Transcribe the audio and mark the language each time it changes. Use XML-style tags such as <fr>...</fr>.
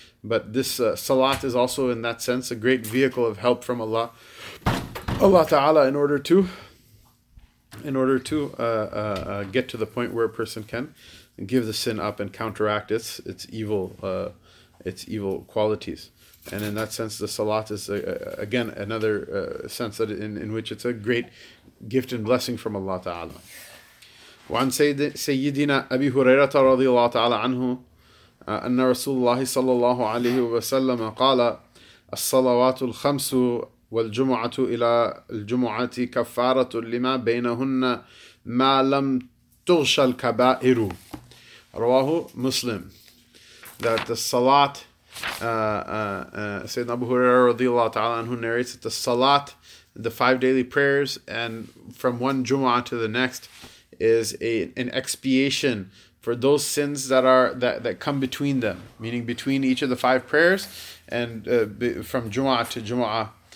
<en>But this salat is also, in that sense, a great vehicle of help from Allah Ta'ala in order to get to the point where a person can give the sin up and counteract its evil qualities. And in that sense, the salat is, again, another sense that in which it's a great gift and blessing from Allah Ta'ala.</en> <ar>وعن سيدنا أبي هريرة رضي الله تعالى عنه أن رسول الله صلى الله عليه وسلم قال الصلوات الخمس والجمعة إلى الجمعة كفارة لما بينهن ما لم تغش الكبائر رواه مسلم.</ar> <en>That the salat, Sayyidina Abu Huraira</en> <ar>رضي الله تعالى عنه</ar> <en>narrates that the salat, the five daily prayers, and from one jumu'ah to the next, is an expiation for those sins that come between them, meaning between each of the five prayers and from jumu'ah to jumu'ah.</en>